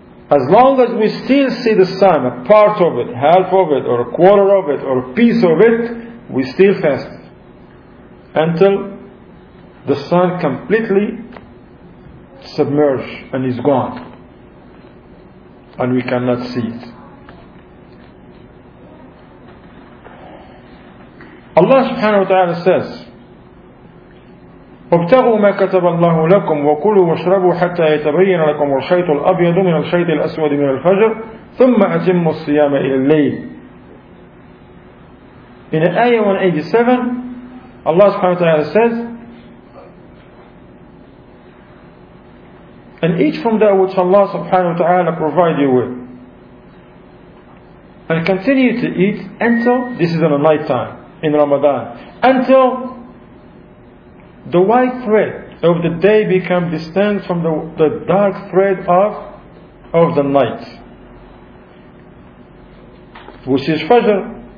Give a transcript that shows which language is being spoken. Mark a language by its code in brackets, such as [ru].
[en] As long as we still see the sun, a part of it, half of it, or a quarter of it, or a piece of it, we still fast. Until the sun completely submerged and is gone, and we cannot see it. Allah subhanahu wa ta'ala says, [ar] وابتغوا ما كتب الله لكم وكلوا واشربوا حتى يتبين لكم الخيط الأبيض من الخيط الأسود من الفجر ثم أتموا الصيام إلى الليل. [en] In Ayah 187, Allah subhanahu wa ta'ala says, and eat from that which Allah subhanahu wa ta'ala provide you with, and continue to eat until, this is in the night time in Ramadan, until the white thread of the day becomes distinct from the dark thread of the night, which is Fajr.